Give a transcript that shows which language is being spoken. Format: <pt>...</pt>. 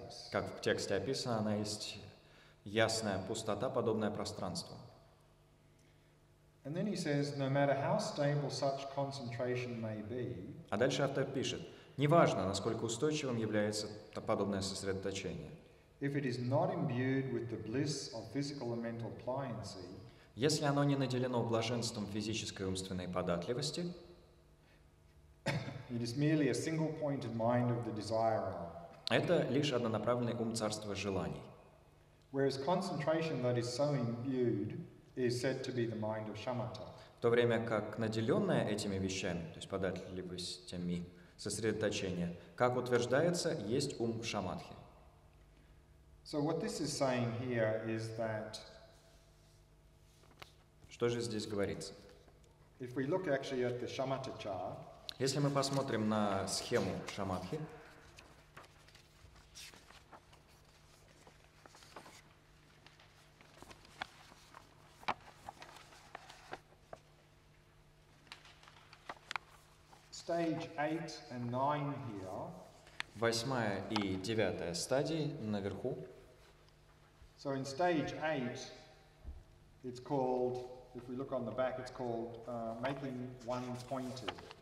<ru>Как в тексте описано, она есть ясная пустота, подобная пространству.</ru> <en>And then he says, no matter how stable such concentration may be,</en> <ru>а дальше автор пишет, неважно, насколько устойчивым является подобное сосредоточение.</ru> <en>If it is not imbued with the bliss of physical and mental pliancy,</en> <ru>если оно не наделено блаженством физической и умственной податливости,</ru> <en>it is merely a single-pointed mind of the desire.</en> <ru>Это лишь однонаправленный ум царства желаний.</ru> <en>Whereas concentration that is so imbued is said to be the mind of shamatha.</en> <ru>В то время как наделенное этими вещами, то есть податливостями сосредоточения, как утверждается, есть ум шамадхи.</ru> <en>So what this is saying here is that,</en> <ru>что же здесь говорится?</ru> <en>If we look actually at the shamatha chart,</en> <ru>если мы посмотрим на схему шамадхи,</ru> <en>stage 8 and 9 here,</en> <ru>восьмая и девятая стадии наверху.</ru> <en>So in stage 8, it's called, if we look on the back, it's called making one-pointed.</en>